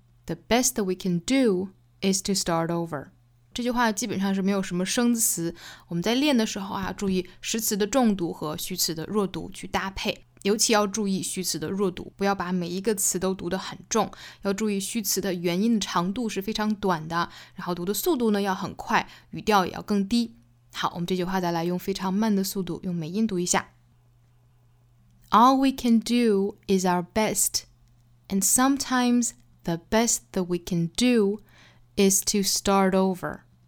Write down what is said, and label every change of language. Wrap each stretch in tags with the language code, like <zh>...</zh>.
<en>The best that we can do is to start over.</en> <zh>这句话基本上是没有什么生词。我们在练的时候啊，注意实词的重读和虚词的弱读去搭配。尤其要注意虚词的弱读，不要把每一个词都读得很重。要注意虚词的元音的长度是非常短的，然后读的速度呢要很快，语调也要更低。好，我们这句话再来用非常慢的速度，用美音读一下。</zh> <en>All we can do is our best, and sometimes the best that we can do is to start over.</en>